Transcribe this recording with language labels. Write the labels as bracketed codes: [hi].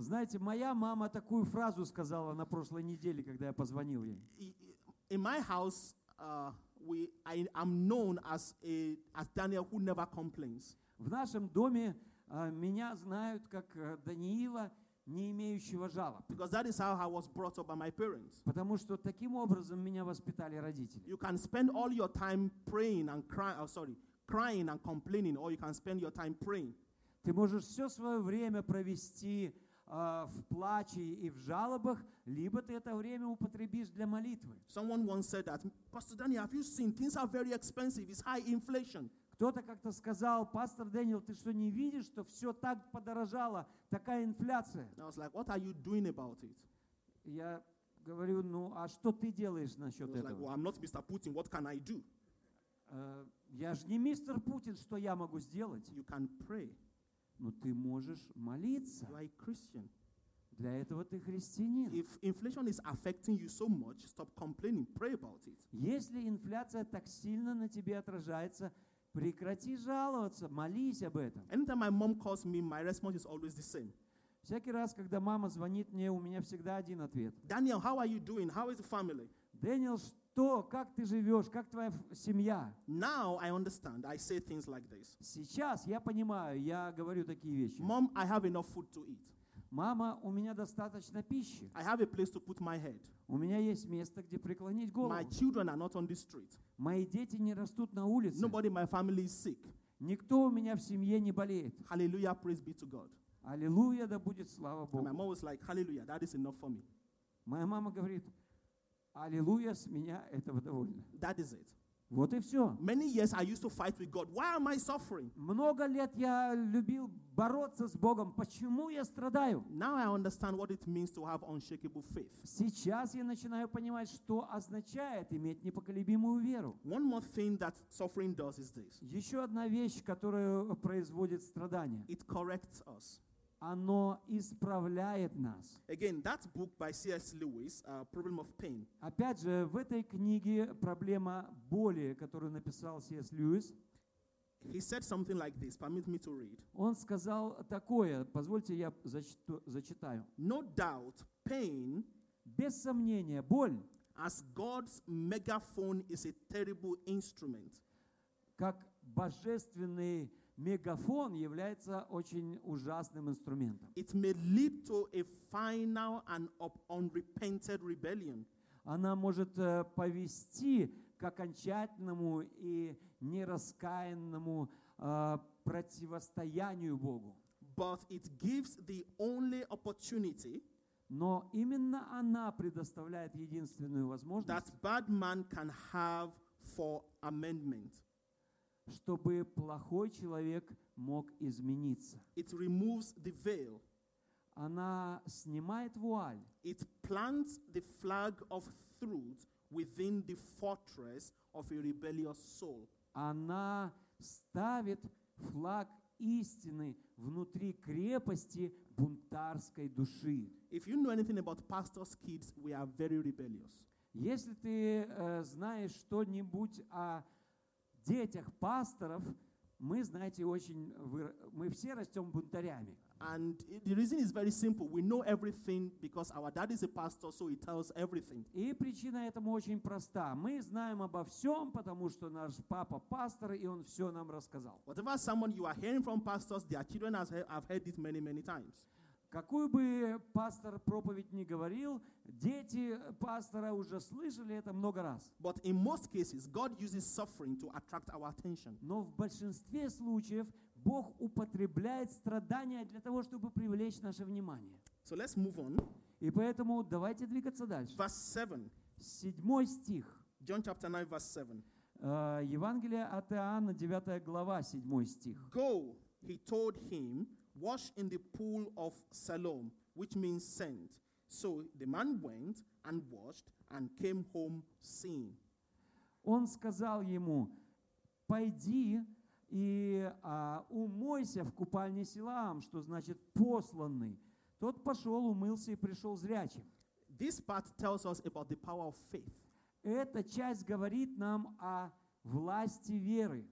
[ru] Знаете, моя мама такую фразу сказала на прошлой неделе, когда я позвонил ей. [en] In my house, I'm known as Daniel who never complains. [ru] В нашем доме меня знают как Даниила, не имеющего жалоб. [en] Because that is how I was brought up by my parents. [ru] Потому что таким образом меня воспитали родители. [en] You can spend all your time praying and crying and complaining, or you can spend your time praying. [ru] Ты можешь все свое время провести в плаче и в жалобах, либо ты это время употребишь для молитвы. [en] Someone once said that, Pastor Daniel, have you seen things are very expensive? It's high inflation. [ru] Кто-то как-то сказал, пастор Дэниел, ты что не видишь, что все так подорожало, такая инфляция? [en] I was like, what are you doing about it? [ru] Я говорю, ну а что ты делаешь насчет этого? [en] He was like, well, I'm not Mr. Putin, what can I do? [ru] Я же не мистер Путин, что я могу сделать? [en] You can pray. [ru] Но ты можешь молиться. [en] You are a Christian. [ru] Для этого ты христианин. [en] If inflation is affecting you so much, stop complaining, pray about it. [ru] Если инфляция так сильно на тебе отражается, прекрати жаловаться, молись об этом. [en] Anytime my mom calls me, my response is always the same. [ru] Всякий раз, когда мама звонит мне, у меня всегда один ответ. [en] Daniel, how are you doing? How is the family? [ru] Daniel, что? Как ты живешь? Как твоя семья? [en] Now I understand. I say things like this. [ru] Сейчас я понимаю, я говорю такие вещи. [en] Mom, I have enough food to eat. [ru] Мама, у меня достаточно пищи. [en] I have a place to put my head. [ru] У меня есть место, где преклонить голову. [en] My children are not on the street. [ru] Мои дети не растут на улице. [en] Nobody in my family is sick. [ru] Никто у меня в семье не болеет. [en] Hallelujah, praise be to God. [ru] Аллилуйя, да будет слава Богу. [en] My mom was like, Hallelujah, that is enough for me. [ru] Моя мама говорит, Аллилуйя, с меня этого довольно. [en] That is it. [ru] Вот и все. [en] Many years I used to fight with God. Why am I suffering? [ru] Много лет я любил бороться с Богом. Почему я страдаю? [en] Now I understand what it means to have unshakable faith. [ru] Сейчас я начинаю понимать, что означает иметь непоколебимую веру. [en] One more thing that suffering does is this. [ru] Еще одна вещь, которую производит страдание. [en] It corrects us. [ru] Оно исправляет нас. [en] Again, that book by C.S. Lewis, Problem of Pain. [ru] Опять же, в этой книге «Проблема боли», которую написал C.S. Lewis, [en] He said something like this. Permit me to read. [ru] Он сказал такое. Позвольте, я зачитаю. [en] No doubt, pain. [ru] Без сомнения, боль. [en] As God's megaphone is a terrible instrument. [ru] Как божественный мегафон является очень ужасным инструментом. [en] It may lead to a final and unrepented rebellion. [ru] Она может повести к окончательному и нераскаянному противостоянию Богу. [en] But it gives the only opportunity. [ru] Но именно она предоставляет единственную возможность, [en] that bad man can have for amendment. [ru] Чтобы плохой человек мог измениться. [en] It removes the veil. [ru] Она снимает вуаль. [en] It plants the flag of truth within the fortress of a rebellious soul. [ru] Она ставит флаг истины внутри крепости бунтарской души. [en] If you know anything about pastors' kids, we are very rebellious. [ru] Если ты знаешь что-нибудь о детях пасторов, мы, знаете, мы все растем бунтарями. [en] And the reason is very simple. We know everything because our dad is a pastor, so he tells everything. [ru] И причина этому очень проста. Мы знаем обо всем, потому что наш папа пастор, и он все нам рассказал. [en] Whatever someone you are hearing from pastors, their children have heard it many, many times. [ru] Какую бы пастор проповедь ни говорил, дети пастора уже слышали это много раз. [en] But in most cases, God uses suffering to attract our attention. [ru] Но в большинстве случаев Бог употребляет страдания для того, чтобы привлечь наше внимание. [en] So let's move on. [ru] И поэтому давайте двигаться дальше. [en] Verse 7. [ru] Седьмой стих. [en] John chapter 9, verse 7. [ru] Евангелие от Иоанна, 9 глава, 7 стих. [en] Go, he told him, wash in the pool of Siloam, which means sent. So the man went and washed and came home seeing. [ru] Он сказал ему, пойди и умойся в купальне Силаам, что значит посланный. Тот пошел, умылся и пришел зрячим. [en] This part tells us about the power of faith. [ru] Эта часть говорит нам о власти веры.